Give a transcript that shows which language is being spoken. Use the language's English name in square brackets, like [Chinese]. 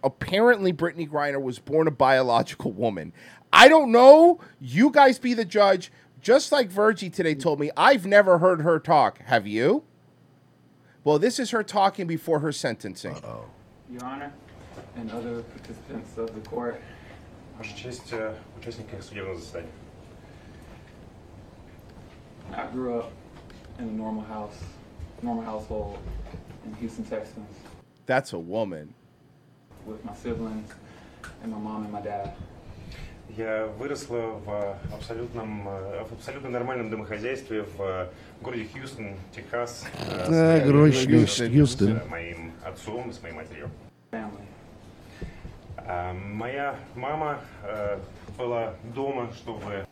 [English] Apparently, Brittany Griner was born a biological woman. I don't know. You guys be the judge. Just like Virgie today told me, I've never heard her talk. Have you? Well, this is her talking before her sentencing. Uh-oh. Your Honor and other participants of the court. [Russian] Ваша честь, участники судебного заседания. [English] I grew up in a normal household in Houston, Texas. That's a woman. With my siblings and my mom and my dad. [Russian] Я выросла в абсолютно нормальном домохозяйстве в городе Хьюстон, Техас. Город Хьюстон. С моим отцом и с моей матерью. [English] Family. [Russian] Моя мама была дома, чтобы...